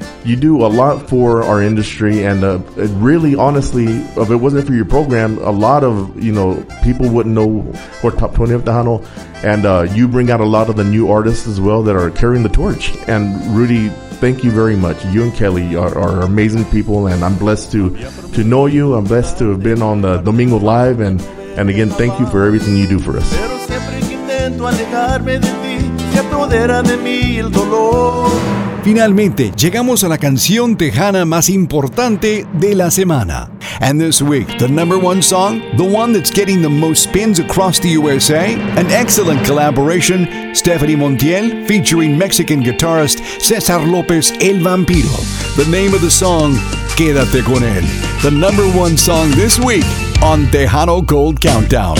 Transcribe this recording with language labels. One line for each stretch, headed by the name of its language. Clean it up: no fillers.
English: You do a lot for our industry, and really, honestly, if it wasn't for your program, a lot of, you know, people wouldn't know or Top 20 of Tejano, and you bring out a lot of the new artists as well that are carrying the torch. And Rudy, thank you very much. You and Kelly are amazing people, and I'm blessed to know you. I'm blessed to have been on the Domingo Live, and again, thank you for everything you do for us.
Spanish: Finalmente, llegamos a la canción tejana más importante de la semana.
English: And this week, the number one song, the one that's getting the most spins across the USA, an excellent collaboration, Stephanie Montiel featuring Mexican guitarist Cesar López El Vampiro. The name of the song, Quédate Con Él. The number one song this week on Tejano Gold Countdown.